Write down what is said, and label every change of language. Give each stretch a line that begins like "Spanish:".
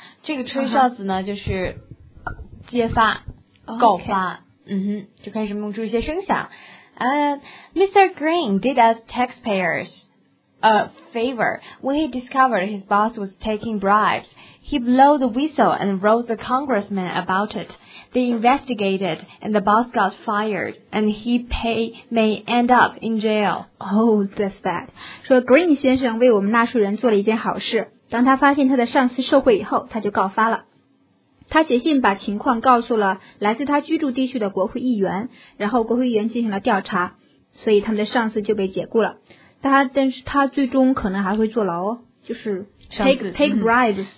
Chinese: 这个吹哨子呢、就是揭发、告发、就开始弄出一些声响。
English: Mr. Green did us taxpayers. A favor. When he discovered his boss was taking bribes, he blew the whistle and wrote the congressman about it. They investigated, and the boss got fired, and he may end up in jail. Oh, that's bad.
Chinese: 说 Green 先生为我们纳税人做了一件好事，当他发现他的上司受贿以后，他就告发了。他写信把情况告诉了来自他居住地区的国会议员，然后国会议员进行了调查，所以他们的上司就被解雇了。但是他最终可能还会坐牢哦，就是 take bribes